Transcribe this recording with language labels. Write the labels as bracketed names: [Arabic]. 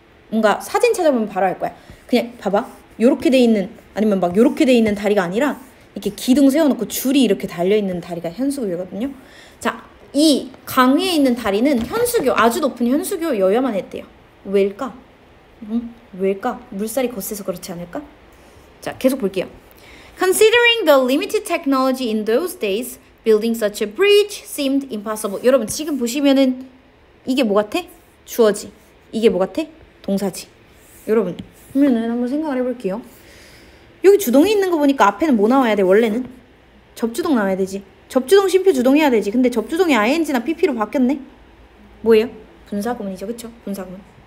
[Korean] 뭔가 사진 찾아보면 바로 알 거야. 그냥 봐봐, 요렇게 돼 있는, 아니면 막 요렇게 돼 있는 다리가 아니라 이렇게 기둥 세워놓고 줄이 이렇게 달려 있는 다리가 현수교거든요. 자, 이 강 위에 있는 다리는 현수교, 아주 높은 현수교여야만 했대요. 왜일까? 응? 왜일까? 물살이 거세서 그렇지 않을까? 자, 계속 볼게요. [English] Considering the limited technology in those days, building such a bridge seemed impossible. [Korean] 여러분, 지금 보시면은 이게 뭐 같아? 주어지. 이게 뭐 같아? 동사지. 여러분, 그러면은 한번 생각을 해볼게요. 여기 주동이 있는 거 보니까 앞에는 뭐 나와야 돼, 원래는? 접주동 나와야 되지. 접주동, 심표 주동해야 되지. 근데 접주동이 ing나 pp로 바뀌었네? 뭐예요? 분사구문이죠, 그쵸? 분사구문.